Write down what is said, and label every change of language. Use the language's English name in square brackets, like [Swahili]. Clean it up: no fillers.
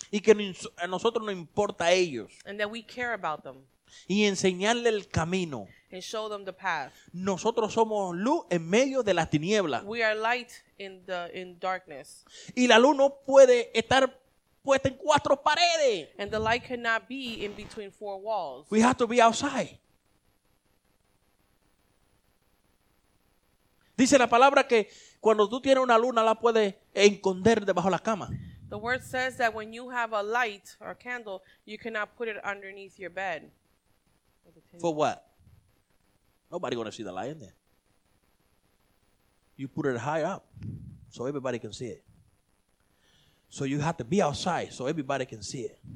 [Spanish] Y que a nosotros no importa a ellos. [English] And that we care about them. [Spanish] Y enseñarle el camino. [English] And show them the path. [Spanish] Nosotros somos luz en medio de las tinieblas. [English] We are light in darkness. [Spanish] Y la luz no puede estar puesta en cuatro paredes. [English] And the light cannot be in between four walls. We have to be outside. [Spanish] Dice la palabra que cuando tú tienes una luna la puedes esconder debajo de la cama. [English] The word says that when you have a light or a candle, you cannot put it underneath your bed. For what? Nobody gonna see the light in there. You put it high up so everybody can see it. So you have to be outside so everybody can see it.